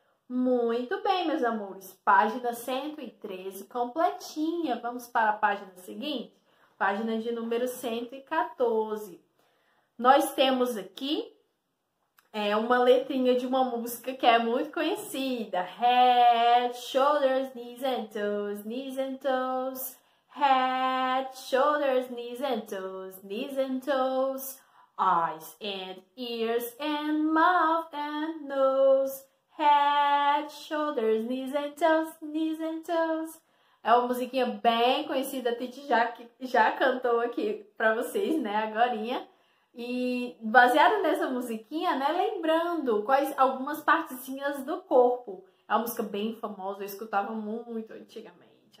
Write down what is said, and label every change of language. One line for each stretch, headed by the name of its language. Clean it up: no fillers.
Portuguese: Muito bem, meus amores. Página 113 completinha. Vamos para a página seguinte. Página de número 114. Nós temos aqui uma letrinha de uma música que é muito conhecida.
English: Head, shoulders, knees and toes, knees and toes. Head, shoulders, knees and toes, eyes and ears and mouth and nose. Head, shoulders, knees and toes, knees and toes.
Portuguese: É uma musiquinha bem conhecida, a Titi já cantou aqui para vocês, né, agorinha. E baseado nessa musiquinha, né, lembrando quais algumas partezinhas do corpo. É uma música bem famosa, eu escutava muito antigamente.